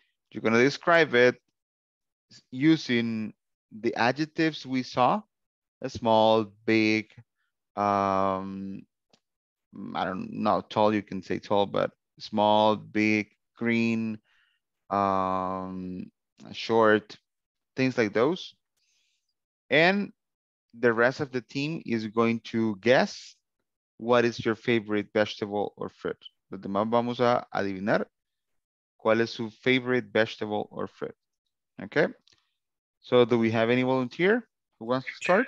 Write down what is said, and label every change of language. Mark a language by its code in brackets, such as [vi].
[en] You're gonna describe it using the adjectives we saw, a small, big, I don't know, tall, you can say tall, but small, big, green, short, things like those. And the rest of the team is going to guess what is your favorite vegetable or fruit. [es] Los demás vamos a adivinar cuál es su [en] favorite vegetable or fruit. Okay. So do we have any volunteer who wants to start?